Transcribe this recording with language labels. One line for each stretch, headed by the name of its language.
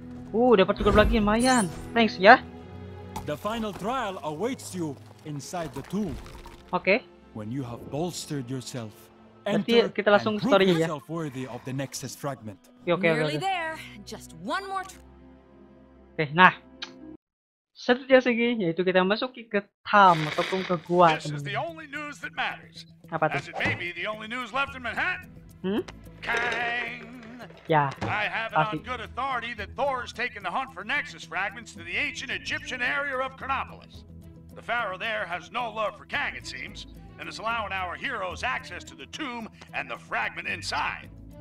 Indonesian: Dapat juga lagi, lumayan.
English: Thanks,
Indonesian: ya.
English: The final trial awaits you inside the tomb. Okay. When you have bolstered yourself, enter
Indonesian: kita langsung
English: and prove yourself worthy of the Nexus fragment. Okay. Nearly there. just one more.
Indonesian: Okay, nah. Seterusnya segi, yaitu kita masuki ke tam ataupun ke gua.
English: This is the only news that matters.
Indonesian: Apa tuh?
English: As it may be the only news left in Manhattan. Kang.
Indonesian: Ya.
English: I have it on good authority that Thor is taking the hunt for Nexus fragments to the ancient Egyptian area of Chronopolis. The Pharaoh there has no love for Kang, it seems, and is allowing our heroes access to the tomb and the fragment inside.